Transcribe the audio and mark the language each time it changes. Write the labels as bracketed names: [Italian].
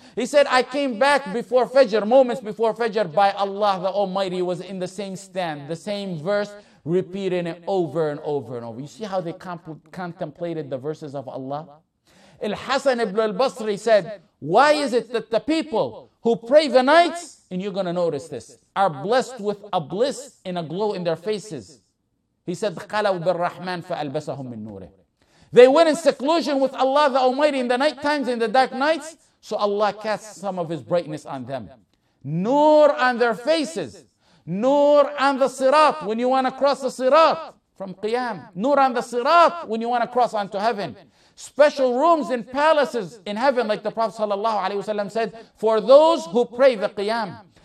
[English] He said, I came back before Fajr, moments before Fajr, by Allah the Almighty was in the same stand, the same verse, repeating it over and over and over. You see how they contemplated the verses of Allah? Al-Hasan ibn al-Basri said, why is it that the people who pray the nights, and you're going to notice this, are blessed with a bliss in a glow in their faces? [Arabic] He said, قَلَوْ بِالرَّحْمَنِ فَأَلْبَسَهُمْ مِنْ نُورِهِ. [English] They went in seclusion with Allah the Almighty in the night times, in the dark nights, so Allah cast some of His brightness on them. Noor on their faces. Noor on the sirat, when you want to cross the sirat from Qiyam. Noor on the sirat, when you want to cross onto heaven. Special rooms in palaces in heaven, like the Prophet sallallahu alaihi wasallam said, for those who pray the Qiyam.